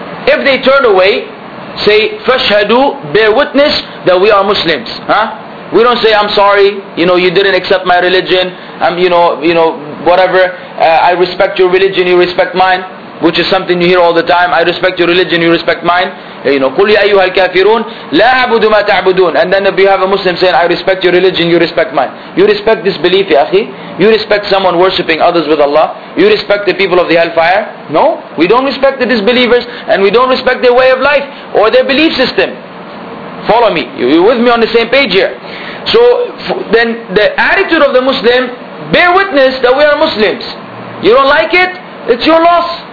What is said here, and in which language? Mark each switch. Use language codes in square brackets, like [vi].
[en] If they turn away, say, fashhadu, bear witness that we are Muslims. Huh? We don't say, I'm sorry, you know, you didn't accept my religion, I'm, you know, whatever, I respect your religion, you respect mine, which is something you hear all the time. I respect your religion, you respect mine. You know, [ar] قُلْ يَا أَيُّهَا الْكَافِرُونَ لَا أَعْبُدُ مَا تَعْبُدُونَ. [en] And then if you have a Muslim saying, I respect your religion, you respect mine. You respect this belief, ya akhi. You respect someone worshipping others with Allah. You respect the people of the hellfire. No, we don't respect the disbelievers, and we don't respect their way of life or their belief system. Follow me. You with me on the same page here? So then the attitude of the Muslim, bear witness that we are Muslims. You don't like it? It's your loss.